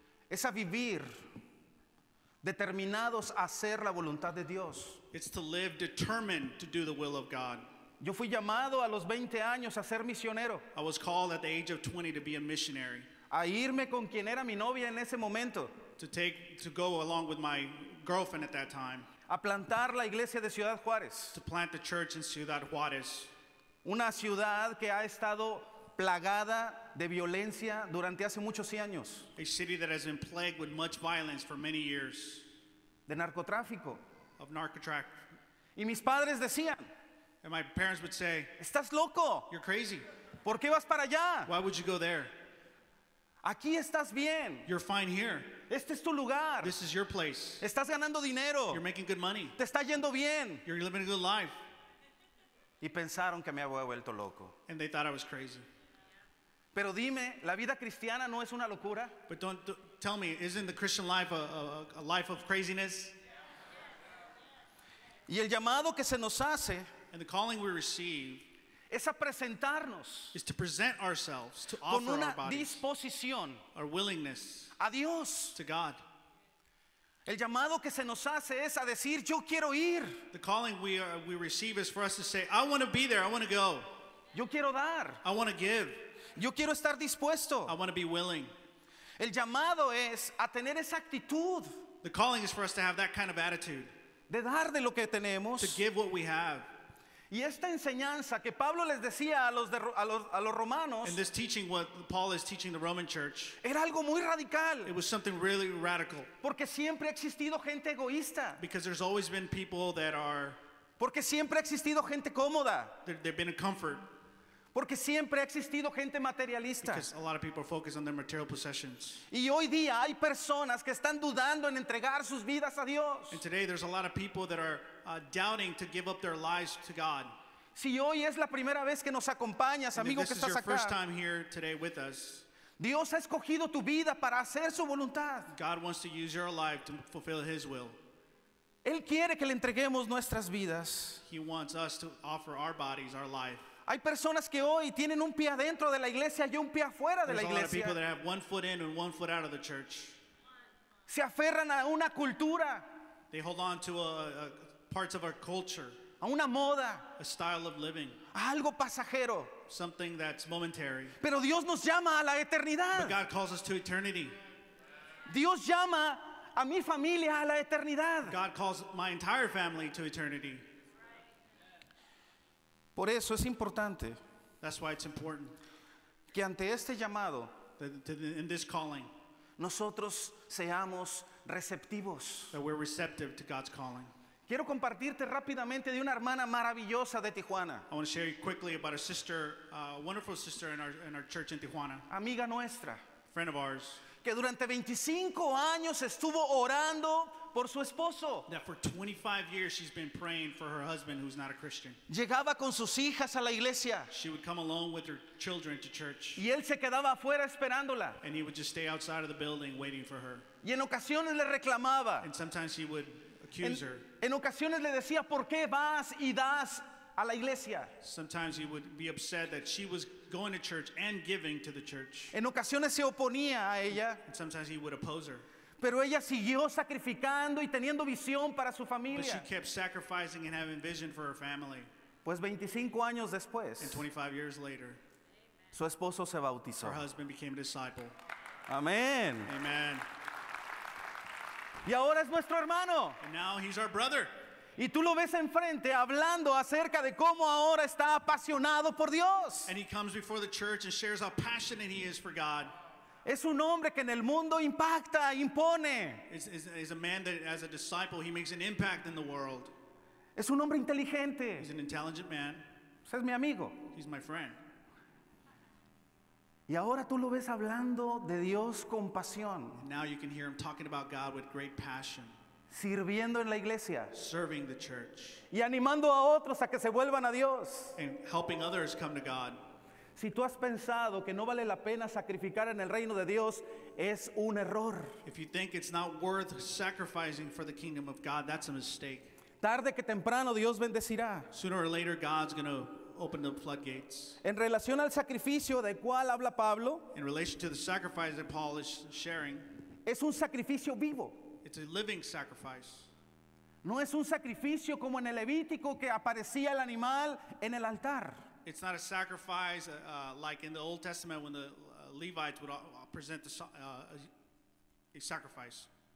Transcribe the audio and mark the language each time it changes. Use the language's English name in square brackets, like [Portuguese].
[Spanish] Es a vivir determinados a hacer la voluntad de Dios. [English] It's to live determined to do the will of God. [Spanish] Yo fui llamado a los 20 años a ser misionero. [English] I was called at the age of 20 to be a missionary. [Spanish] A irme con quien era mi novia en ese momento. [English] To go along with my girlfriend at that time. [Spanish] A plantar la iglesia de Ciudad Juárez. [English] To plant the church in Ciudad Juárez. [Spanish] Una ciudad que ha estado plagada de violencia durante hace muchos años. [English] A city that has been plagued with much violence for many years. [Spanish] De narcotráfico. [English] Of narcotraffic. [Spanish] Y mis padres decían, [English] and my parents would say, [Spanish] estás loco. [English] You're crazy. [Spanish] ¿Por qué vas para allá? [English] Why would you go there? [Spanish] Aquí estás bien. [English] You're fine here. [Spanish] Este es tu lugar. [English] This is your place. [Spanish] Estás ganando dinero. [English] You're making good money. [Spanish] Te está yendo bien. [English] You're living a good life. [Spanish] Y pensaron que me había vuelto loco. [English] And they thought I was crazy. [Spanish] Pero dime, ¿la vida cristiana no es una locura? [English] But don't tell me, isn't the Christian life a life of craziness? [Spanish] Y el llamado que se nos hace, [English] and the calling we receive, [Spanish] es a presentarnos, [English] is to present ourselves, to offer [Spanish] con una [English] our bodies, [Spanish] disposición, [English] our willingness, [Spanish] a Dios, [English] to God. [Spanish] El llamado que se nos hace es a decir, yo quiero ir. [English] The calling we receive is for us to say, I want to be there, I want to go. [Spanish] Yo quiero dar. [English] I want to give. [Spanish] Yo quiero estar dispuesto. [English] I want to be willing. [Spanish] El llamado es a tener esa actitud. [English] The calling is for us to have that kind of attitude. [Spanish] De dar de lo que tenemos. [English] To give what we have. [Spanish] Y esta enseñanza que Pablo les decía a los romanos. [English] And this teaching what Paul is teaching the Roman church. [Spanish] Era algo muy radical. [English] It was something really radical. [Spanish] Porque siempre ha existido gente egoísta. [English] Because there's always been people that are. [Spanish] Porque siempre ha existido gente cómoda. [English] They've been in comfort. [Spanish] Porque siempre ha existido gente materialista. [English] Because a lot of people focus on their material possessions. [Spanish] Y hoy día hay personas que están dudando en entregar sus vidas a Dios. [English] And today there's a lot of people that are doubting to give up their lives to God. [Spanish] Si hoy es la primera vez que nos acompañas, amigo que estás acá. [English] This is your first time here today with us. [Spanish] Dios ha escogido tu vida para hacer su voluntad. [English] God wants to use your life to fulfill his will. [Spanish] Él quiere que le entreguemos nuestras vidas. [English] He wants us to offer our bodies, our life. [Spanish] Hay personas que hoy tienen un pie adentro de la iglesia y un pie afuera de la iglesia. [English] There's a lot of people that have one foot in and one foot out of the church. [Spanish] Se aferran a una cultura. [English] They hold on to parts of our culture. [Spanish] A una moda. [English] A style of living. [Spanish] A algo pasajero. [English] Something that's momentary. [Spanish] Pero Dios nos llama a la eternidad. [English] But God calls us to eternity. [Spanish] Dios llama a mi familia a la eternidad. [English] God calls my entire family to eternity. [Spanish] Por eso es importante. [English] That's why it's important. [Spanish] Que ante este llamado, [English] in this calling, [Spanish] nosotros seamos receptivos. [English] That we're receptive to God's calling. [Spanish] Quiero compartirte rápidamente de una hermana maravillosa de Tijuana. [English] I want to share quickly about a sister, a wonderful sister in our church in Tijuana. [Spanish] Amiga nuestra. [English] Friend of ours. [Spanish] Que durante 25 años estuvo orando por su esposo. [English] That for 25 years she's been praying for her husband who's not a Christian. [Spanish] Llegaba con sus hijas a la iglesia. [English] She would come alone with her children to church. [Spanish] Y él se quedaba afuera esperándola. [English] And he would just stay outside of the building waiting for her. [Spanish] Y en ocasiones le reclamaba. [English] And sometimes he would accuse her. [Spanish] En ocasiones le decía, ¿por qué vas y das a la iglesia? [English] Sometimes he would be upset that she was going to church and giving to the church. [Spanish] En ocasiones se oponía a ella. [English] And sometimes he would oppose her. [Spanish] Pero ella siguió sacrificando y teniendo visión para su familia. [English] But she kept sacrificing and having vision for her family. [Spanish] Pues 25 años después, [English] and 25 years later, [Spanish] su esposo se bautizó. [English] Her husband became a disciple. [Spanish] Amen. [English] Amen. [Spanish] Y ahora es nuestro hermano. [English] And now he's our brother. [Spanish] Y tú lo ves enfrente hablando acerca de cómo ahora está apasionado por Dios. [English] And he comes before the church and shares how passionate he is for God. [Spanish] Es un hombre que en el mundo impacta, impone. [English] Is a man that as a disciple he makes an impact in the world. [Spanish] Es un hombre inteligente. [English] He's an intelligent man. [Spanish] Es mi amigo. [English] He's my friend. [Spanish] Y ahora tú lo ves hablando de Dios con pasión. [English] And now you can hear him talking about God with great passion. [Spanish] Sirviendo en la iglesia. [English] Serving the church. [Spanish] Y animando a otros a que se vuelvan a Dios. [English] And helping others come to God. [Spanish] Si tú has pensado que no vale la pena sacrificar en el reino de Dios, es un error. [English] If you think it's not worth sacrificing for the kingdom of God, that's a mistake. [Spanish] Tarde que temprano Dios bendecirá. [English] Sooner or later God's going to open the floodgates. [Spanish] En relación al sacrificio del cual habla Pablo, [English] in relation to the sacrifice that Paul is sharing, [Spanish] es un sacrificio vivo. [English] It's a living sacrifice. [Spanish] No es un sacrificio como en el Levítico que aparecía el animal en el altar. [English] It's not a sacrifice like in the Old Testament when the Levites would present a sacrifice.